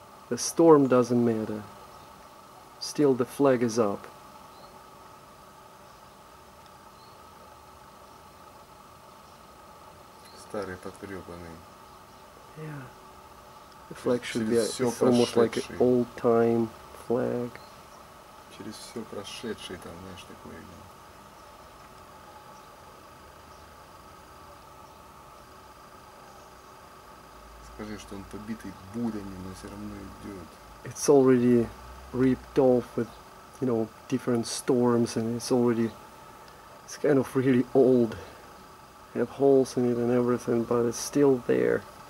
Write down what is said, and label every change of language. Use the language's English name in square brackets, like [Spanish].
[English] The storm doesn't matter. Still, the flag is up. [Russian] Старый потрёпанный. [English] Yeah. The flag should be almost like an old-time flag. [Russian] Через всё прошедшее там, знаешь, такое. Скажи, что он побитый бурями, но все равно идет. [English] It's already ripped off with, you know, different storms, and it's kind of really old. You have holes in it and everything, but it's still there.